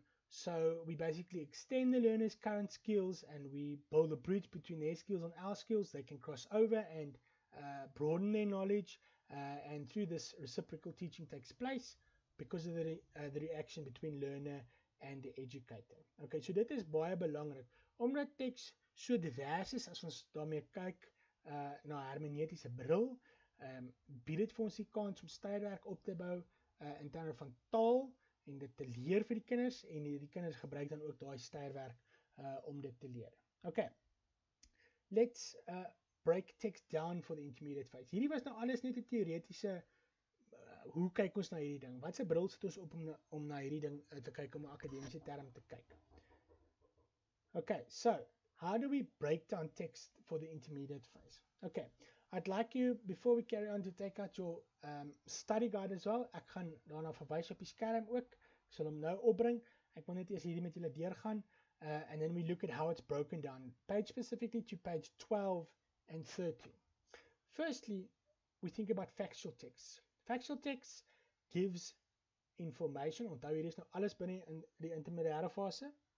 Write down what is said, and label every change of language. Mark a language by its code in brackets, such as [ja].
[en] So we basically extend the learner's current skills and we build a bridge between their skills and our skills. They can cross over and broaden their knowledge, and through this reciprocal teaching takes place because of the reaction between learner and the educator. [af] Okay, so dit is baie belangrik. Omdat teks so divers is, as ons daarmee kyk na hermeneutiese bril, bied dit vir ons die kans om styrwerk op te bou in terme van taal en dit te leer vir die kinders, en die kinders gebruik dan ook daai styrwerk om dit te leer. [en] Okay, let's break text down for the intermediate phase. [af] Hierdie was nou alles net 'n teoretiese, hoe kyk ons na hierdie ding? Wat se bril sit ons op om na hierdie ding te kyk, om 'n akademiese term te kyk? [en] Okay, so, how do we break down text for the intermediate phase? Okay, I'd like you, before we carry on, to take out your study guide as well. [af] Ek gaan daarna verwys op die skerm ook. Ek sal hom nou opbring. Ek wil net eers hierdie met julle deurgaan. [en] And then we look at how it's broken down, page specifically to page 12 and 13. Firstly, we think about factual text. Factual text gives information, [af] onthou hier is nou alles binne in die intermediaire fase.